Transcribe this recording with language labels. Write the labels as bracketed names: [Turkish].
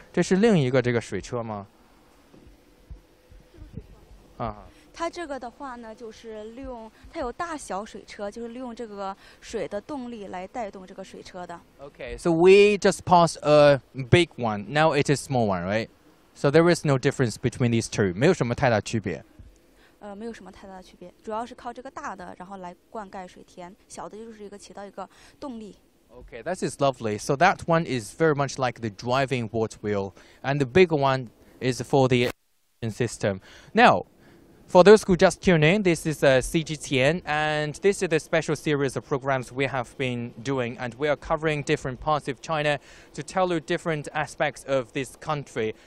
[Chinese] 这是另一个这个水车吗？它这个的话呢，就是利用它有大小水车，就是利用这个水的动力来带动这个水车的。 [English] Okay, so we just passed a big one. Now it is small one, right? So there is no difference between these two. [Chinese] 没有什么太大区别。没有什么太大的区别，主要是靠这个大的，然后来灌溉水田，小的就是一个起到一个动力。 [English] Okay, that is lovely. So that one is very much like the driving water wheel, and the bigger one is for the irrigation system. Now. For those who just tuned in, this is CGTN, and this is a special series of programs we have been doing, and we are covering different parts of China to tell you different aspects of this country.